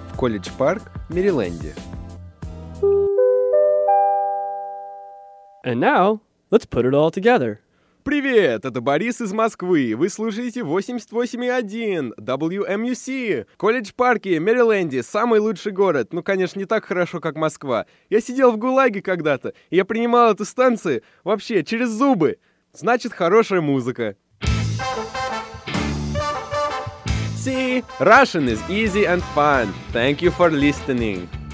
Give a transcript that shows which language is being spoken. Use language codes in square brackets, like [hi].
[ru] В Колледж Парк, Мэриленде. [en] And now, let's put it all together. [ru] Привет, это Борис из Москвы. Вы слушаете 88.1 WMUC. Колледж Парке, Мэриленде, самый лучший город. Ну, конечно, не так хорошо, как Москва. Я сидел в ГУЛАГе когда-то, и я принимал эту станцию вообще через зубы. Значит, хорошая музыка. [en] See, Russian is easy and fun. Thank you for listening.